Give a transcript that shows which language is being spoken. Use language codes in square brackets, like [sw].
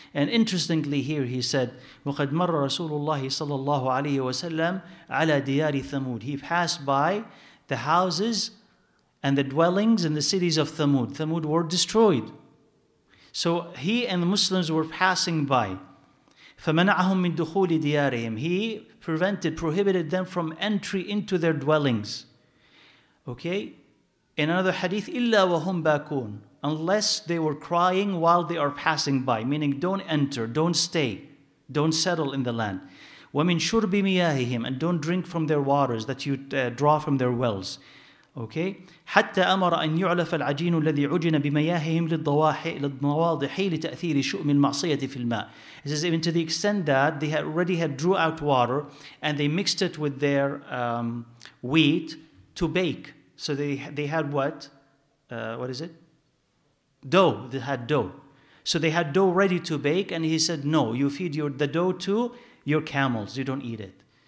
[en] And interestingly here he said, [ar] وَقَدْ مَرَّ رَسُولُ اللَّهِ صَلَى اللَّهُ عَلَيْهِ وَسَلَّمْ عَلَى دِيَارِ ثَمُودِ. [en] He passed by the houses and the dwellings in the cities of Thamud. Thamud were destroyed. So he and the Muslims were passing by. [ar] فَمَنَعَهُمْ مِنْ دُخُولِ دِيَارِهِمْ. [en] He prohibited them from entry into their dwellings. Okay? In another hadith, [ar] إِلَّا وَهُمْ بَاكُونَ. [en] Unless they were crying while they are passing by. Meaning, don't enter, don't stay, don't settle in the land. [ar] وَمِنْ شُرْبِ مِيَاهِهِمْ. [en] And don't drink from their waters that you draw from their wells. Okay. [ar] حتى أمر أن يعلف العجين الذي عجن بمياههم للضواضح لتأثير شؤم المعصية في الماء. [en] It says even to the extent that they had already had drew out water and they mixed it with their wheat to bake. So they had what? What is it? Dough. They had dough. So they had dough ready to bake, and he said, "No, you feed the dough to your camels. You don't eat it."